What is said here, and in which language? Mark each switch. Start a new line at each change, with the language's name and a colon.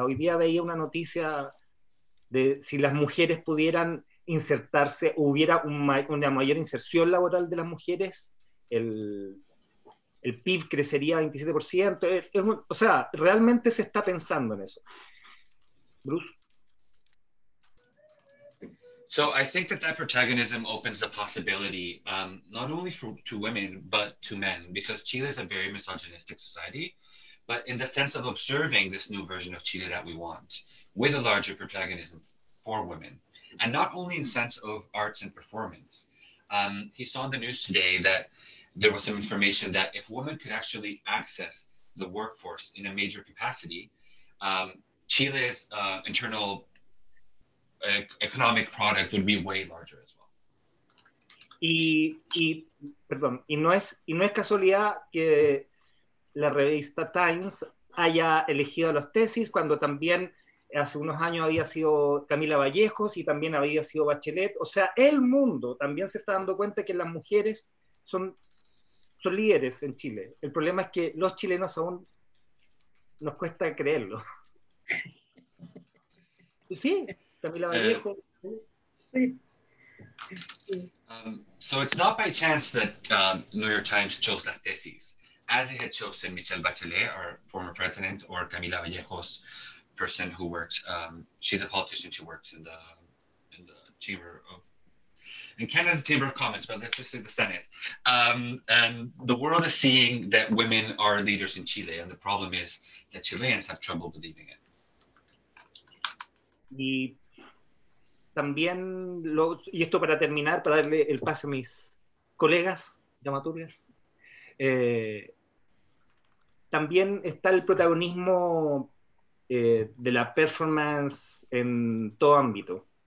Spanish: Hoy día veía una noticia de si las mujeres pudieran insertarse, hubiera una mayor inserción laboral de las mujeres, el PIB crecería 27%. O sea, realmente se está pensando en eso.
English: Bruce. So I think that protagonism opens the possibility not only to women, but to men, because Chile is a very misogynistic society, but in the sense of observing this new version of Chile that we want with a larger protagonism for women, and not only in sense of arts and performance. He saw in the news today that there was some information that if women could actually access the workforce in a major capacity, Chile's internal economic product would be way larger as well.
Spanish: Y no es casualidad que la revista Times haya elegido las tesis cuando también hace unos años había sido Camila Vallejos y también había sido Bachelet. O sea, el mundo también se está dando cuenta que las mujeres son líderes en Chile. El problema es que los chilenos aún nos cuesta creerlo. Sí.
English: So it's not by chance that New York Times chose that thesis, as it had chosen Michelle Bachelet, our former president, or Camila Vallejos, person who works, she's a politician, she works in the Chamber of, in Canada's Chamber of Commons, but let's just say the Senate. And the world is seeing that women are leaders in Chile, and the problem is that Chileans have trouble believing it.
Spanish: Sí. Y también, y esto para terminar, para darle el pase a mis colegas dramaturgas, también está el protagonismo de la performance en todo ámbito.